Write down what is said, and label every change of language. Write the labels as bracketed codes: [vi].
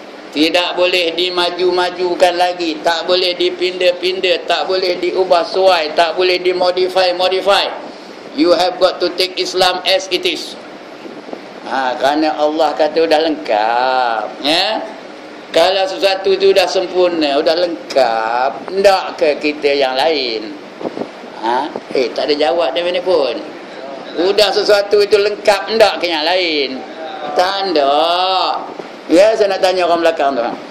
[ms] Tidak boleh dimaju-majukan lagi, tak boleh dipindah-pindah, tak boleh diubah suai, tak boleh dimodify-modify. [en] You have got to take Islam as it is. [ms] Kerana Allah kata sudah lengkap. Kalau sesuatu itu sudah sempurna, sudah lengkap, tidak ke kita yang lain? Tak ada jawab dia mana pun. Sudah sesuatu itu lengkap, tidak ke yang lain? Tanda. Saya nak tanya orang belakang tu.